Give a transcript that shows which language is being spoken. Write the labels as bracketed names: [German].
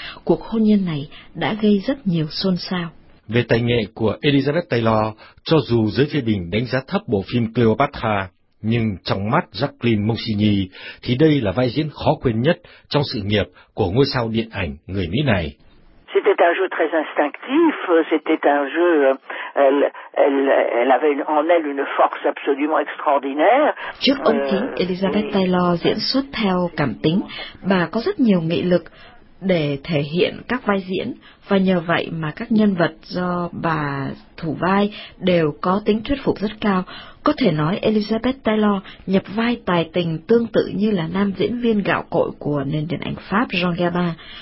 [Vietnamese] Cuộc hôn nhân này đã gây rất nhiều xôn xao. Về tài nghệ của Elizabeth Taylor, cho dù giới phê bình đánh giá thấp bộ phim Cleopatra, nhưng trong mắt Jacqueline Moncini thì đây là vai diễn khó quên nhất trong sự nghiệp của ngôi sao điện ảnh người Mỹ này. [French] C'était un jeu très instinctif, c'était un jeu, elle avait en elle une force absolument extraordinaire. [Vietnamese] Trước ông chính Elizabeth Taylor diễn xuất theo cảm tính, bà có rất nhiều nghị lực để thể hiện các vai diễn, và nhờ vậy mà các nhân vật do bà thủ vai đều có tính thuyết phục rất cao. Có thể nói Elizabeth Taylor nhập vai tài tình tương tự như là nam diễn viên gạo cội của nền điện ảnh Pháp Jean Gabin.